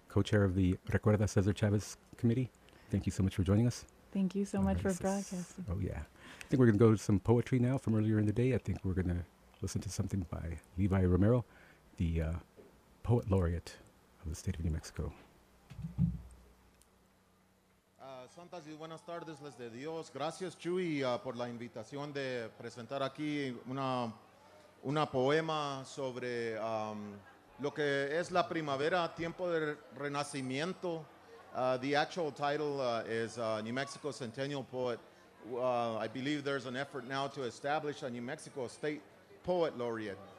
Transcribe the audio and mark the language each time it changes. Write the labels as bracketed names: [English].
[English] Co-chair of the Recuerda Cesar Chavez Committee, thank you so much for joining us. Thank you so All much right, for broadcasting. Oh, yeah. I think we're going to go to some poetry now from earlier in the day. I think we're going to listen to something by Levi Romero, the poet laureate of the state of New Mexico. [Spanish] Santas y buenas tardes, les de Dios. Gracias, Chuy, por la invitación de presentar aquí una poema sobre lo que es la primavera, tiempo del renacimiento. [English] The actual title is New Mexico Centennial Poet. I believe there's an effort now to establish a New Mexico State Poet Laureate.